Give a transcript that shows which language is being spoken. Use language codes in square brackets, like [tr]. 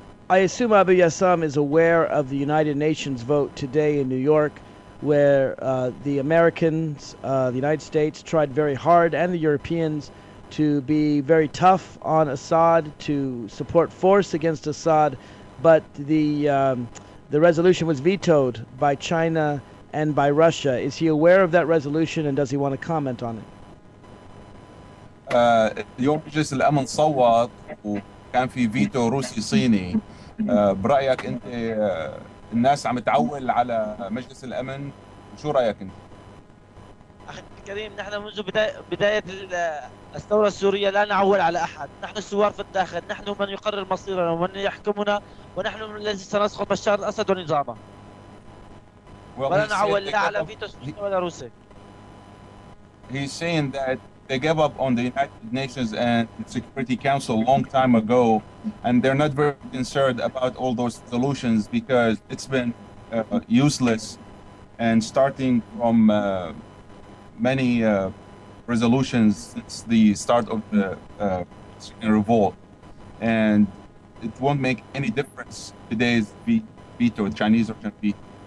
[en] I assume Abu Yassam is aware of the United Nations vote today in New York, where the Americans, the United States, tried very hard, and the Europeans, to be very tough on Assad, to support force against Assad, but the resolution was vetoed by China and by Russia. Is he aware of that resolution, and does he want to comment on it? [ar] اليوم مجلس الامن صوت وكان في فيتو روسي صيني برايك انت الناس عم تعول على مجلس الامن شو رايك انت اخي الكريم نحن منذ بدايه الثوره السوريه لا نعول على احد نحن الثوار في الداخل نحن من يقرر مصيرنا ومن يحكمنا ونحن من الذي سنسقط بشار الاسد ونظامه ولا نعول لا على فيتو سوريا ولا روسي هي سين ذات [en] They gave up on the United Nations and Security Council a long time ago, and they're not very concerned about all those solutions because it's been useless. And starting from many resolutions since the start of the Syrian revolt, and it won't make any difference today's veto, Chinese or Chinese veto.